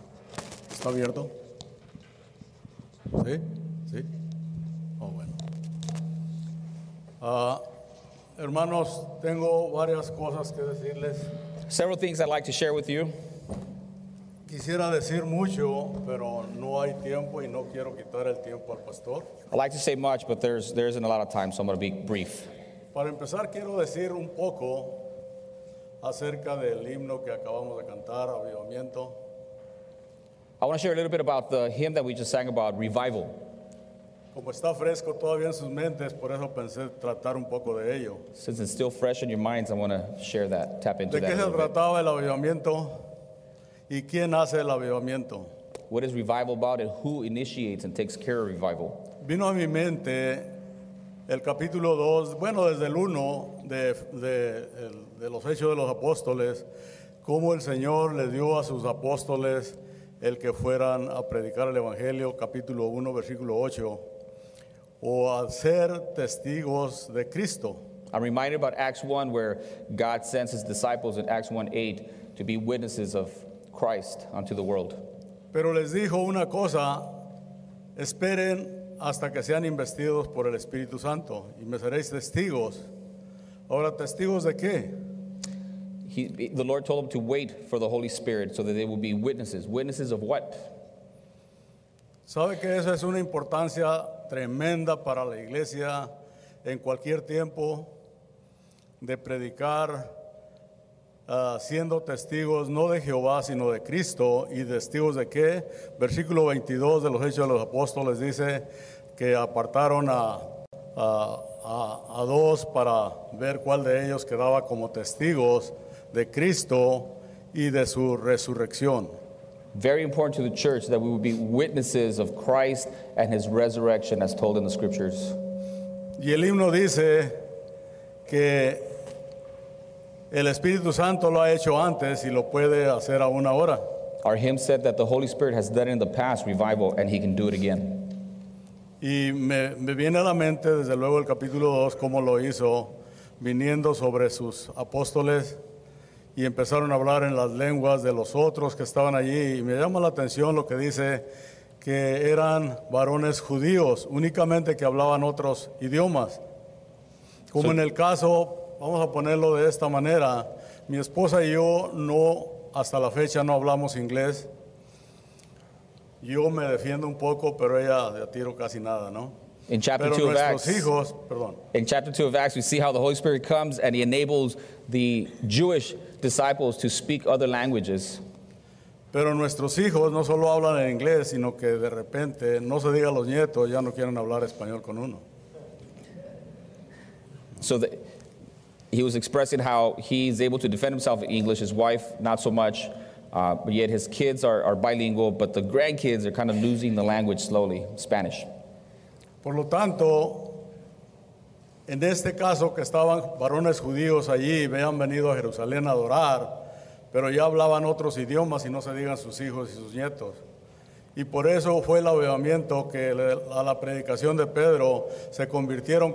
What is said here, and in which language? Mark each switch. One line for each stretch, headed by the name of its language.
Spanish: ¿Está abierto? ¿Sí? ¿Sí? Oh, bueno. Hermanos, tengo varias cosas que decirles.
English: Several things I'd like to share with you.
Spanish: Quisiera decir mucho, pero no hay tiempo y no quiero quitar el tiempo al pastor.
English: I'd like to say much, but there isn't a lot of time, so I'm going to be brief.
Spanish: Para empezar, quiero decir un poco acerca del himno que acabamos de cantar, Avivamiento.
English: I want to share a little bit about the hymn that we just sang about, Revival.
Spanish: Como está fresco todavía en sus mentes, por eso pensé tratar un poco de ello.
English: Since it's still fresh in your minds, I want to share that, tap into
Spanish: that. ¿De qué se trataba el avivamiento? ¿Y quién hace el avivamiento?
English: What is revival about and who initiates and takes care of revival?
Spanish: Vino a mi mente el capítulo 2, bueno, desde el 1 de los Hechos de los Apóstoles, cómo el Señor le dio a sus apóstoles el que fueran a predicar el Evangelio, capítulo 1, versículo 8. O hacer testigos de Cristo.
English: I'm reminded about Acts 1, where God sends his disciples in Acts 1:8 to be witnesses of Christ unto the world.
Spanish: Pero les dijo una cosa, esperen hasta que sean investidos por el Espíritu Santo y me seréis testigos. Ahora, ¿testigos de qué?
English: The Lord told them to wait for the Holy Spirit so that they will be witnesses. Witnesses of what?
Spanish: ¿Sabe que eso es una importancia tremenda para la iglesia en cualquier tiempo de predicar siendo testigos no de Jehová sino de Cristo y testigos de qué? Versículo 22 de los Hechos de los Apóstoles dice que apartaron a dos para ver cuál de ellos quedaba como testigos de Cristo y de su resurrección.
English: Very important to the church that we would be witnesses of Christ and his resurrection as told in the scriptures.
Spanish: Y el himno dice que el Espíritu Santo lo ha hecho antes y lo puede hacer aún ahora.
English: Our hymn said that the Holy Spirit has done it in the past, revival, and he can do it again.
Spanish: Y me viene a la mente desde luego el capítulo 2 cómo lo hizo viniendo sobre sus apóstoles. Y empezaron a hablar en las lenguas de los otros que estaban allí. Y me llama la atención lo que dice que eran varones judíos, únicamente que hablaban otros idiomas. Como en el caso, vamos a ponerlo de esta manera, mi esposa y yo no, hasta la fecha no hablamos inglés. Yo me defiendo un poco, pero ella de tiro casi nada, ¿no?
English: In chapter 2 of Acts, we see how the Holy Spirit comes and he enables the Jewish disciples to speak other languages.
Spanish: Pero nuestros hijos no solo hablan en inglés, sino que de repente, no se diga los nietos, ya no quieren hablar español con uno.
English: So he was expressing how he's able to defend himself in English, his wife not so much, but yet his kids are bilingual, but the grandkids are kind of losing the language slowly, Spanish.
Spanish: Por lo tanto, en este caso que estaban varones judíos allí, habían venido a Jerusalén a adorar, pero ya hablaban otros idiomas y no se digan sus hijos y sus nietos. Y por eso fue el avivamiento que a la predicación de Pedro se convirtieron.